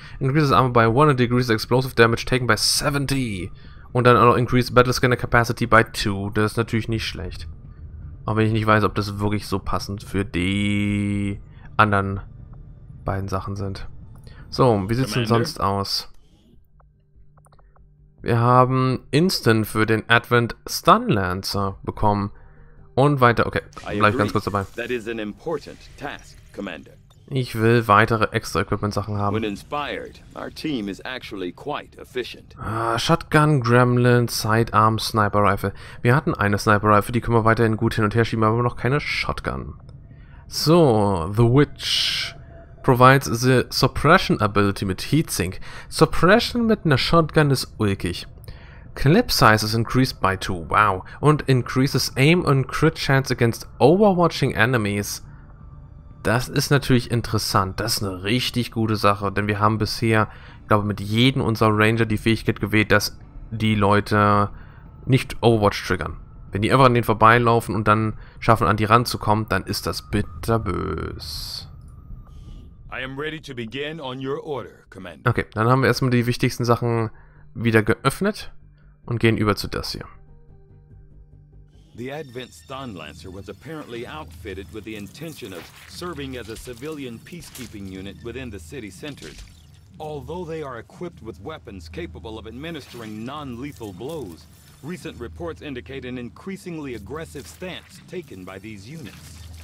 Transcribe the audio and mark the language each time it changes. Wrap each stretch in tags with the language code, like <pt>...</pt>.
<en>Increases armor by 1 and decreases explosive damage taken by 70.</en> <de>Und dann auch noch</de> <en>increase battle scanner capacity by 2.</en> <de>Das ist natürlich nicht schlecht. Auch wenn ich nicht weiß, ob das wirklich so passend für die anderen beiden Sachen sind. So, wie sieht's denn sonst aus? Wir haben Instant für den Advent Stun Lancer bekommen. Und weiter. Okay, bleib ganz kurz dabei.</de> <en>That is an important task, Commander.</en> <de>Ich will weitere extra Equipment-Sachen haben.</de> <en>When inspired, our team is actually quite efficient. Shotgun, Gremlin, Sidearm, Sniper Rifle.</en> <de>Wir hatten eine Sniper Rifle, die können wir weiterhin gut hin und her schieben, aber noch keine Shotgun.</de> <en>So, The Witch. Provides the Suppression Ability</en> <de>mit Heatsink. Suppression mit einer Shotgun ist ulkig.</de> <en>Clip Size is increased by 2. Wow. Und increases Aim and Crit Chance against Overwatching Enemies.</en> <de>Das ist natürlich interessant. Das ist eine richtig gute Sache. Denn wir haben bisher, ich glaube, mit jedem unserer Ranger die Fähigkeit gewählt, dass die Leute nicht Overwatch triggern. Wenn die einfach an denen vorbeilaufen und dann schaffen, an die ranzukommen, dann ist das bitterbös.</de> <en>I am ready to begin on your order, Commander.</en> <de>Okay, dann haben wir erstmal die wichtigsten Sachen wieder geöffnet und gehen über zu das hier.</de> <en>The Advent Stonelancer was apparently outfitted with the intention of serving as a civilian peacekeeping unit within the city centers. Although they are equipped with weapons capable of administering non-lethal blows, recent reports indicate an increasingly aggressive stance taken by these units.</en>